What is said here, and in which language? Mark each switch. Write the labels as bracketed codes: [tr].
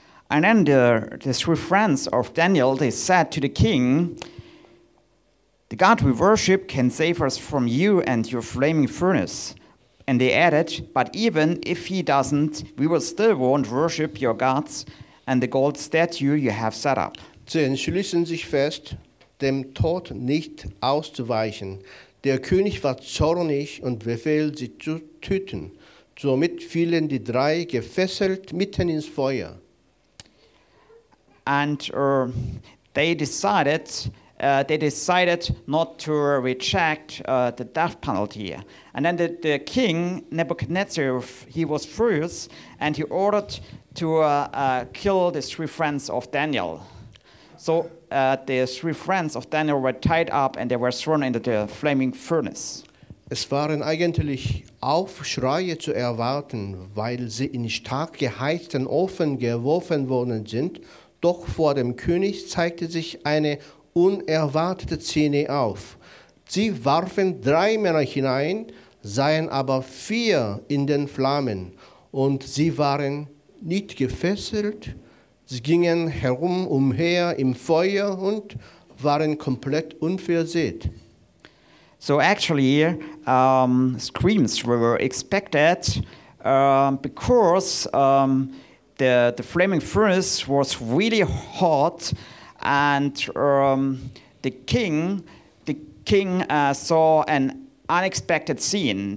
[en] And then the three friends of Daniel, they said to the king, the God we worship can save us from you and your flaming furnace. And they added, but even if he doesn't, we will still won't worship your gods and the gold statue you have set up. [de] Sie entschließen sich fest, dem Tod nicht auszuweichen. Der König war zornig und befahl, sie zu töten. Somit fielen die drei gefesselt mitten ins Feuer. [en] And they decided not to reject the death penalty. And then the king Nebuchadnezzar, he was furious, and he ordered to kill the three friends of Daniel. So the three friends of Daniel were tied up and they were thrown into the flaming furnace. [de] Es waren eigentlich Aufschreie zu erwarten, weil sie in stark geheizten Ofen geworfen worden sind. Doch vor dem König zeigte sich eine unerwartete Szene auf. Sie warfen drei Männer hinein, seien aber vier in den Flammen. Und sie waren nicht gefesselt, sie gingen herum umher im Feuer und waren komplett unversehrt. [en] So actually, screams were expected because the flaming furnace was really hot, and the king saw an unexpected scene.